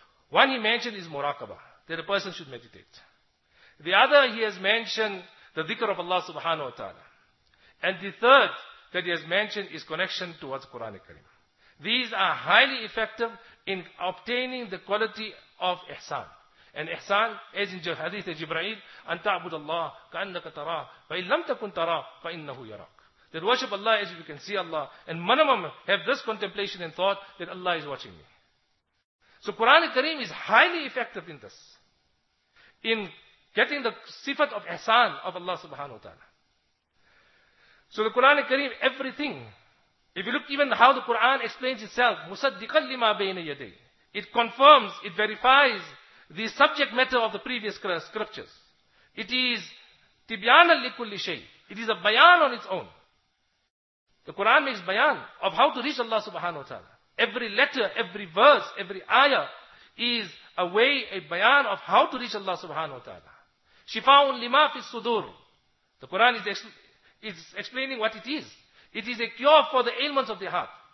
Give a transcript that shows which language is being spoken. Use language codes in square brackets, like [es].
[en] One he mentioned is muraqabah, that a person should meditate. The other he has mentioned the dhikr of Allah subhanahu wa ta'ala. And the third that he has mentioned is connection towards Quran al-Karim. These are highly effective in obtaining the quality of ihsan. And ihsan, as in hadith of Jibreel, [ar] أن تعبد الله كأنك تراه فإن لم تكن تراه فإنه يراك. [en] That worship Allah as if you can see Allah. And minimum have this contemplation and thought that Allah is watching me. So Quran al-Karim is highly effective in this. In getting the sifat of ihsan of Allah subhanahu wa ta'ala. So the Quran al-Karim, everything. If you look even how the Quran explains itself, [ar] مُصَدِّقًا لِمَا بَيْنَ يَدَيْهِ. [en] It confirms, it verifies the subject matter of the previous scriptures. It is [ar] تِبْيَانًا لِكُلِّ شَيْءٍ. [en] It is a bayan on its own. The Quran makes bayan of how to reach Allah subhanahu wa ta'ala. Every letter, every verse, every ayah is a way, a bayan of how to reach Allah subhanahu wa ta'ala. [ar] شِفَاءٌ لِمَا فِي الصُّدُورِ. [en] The Quran is explaining what it is. It is a cure for the ailments of the heart.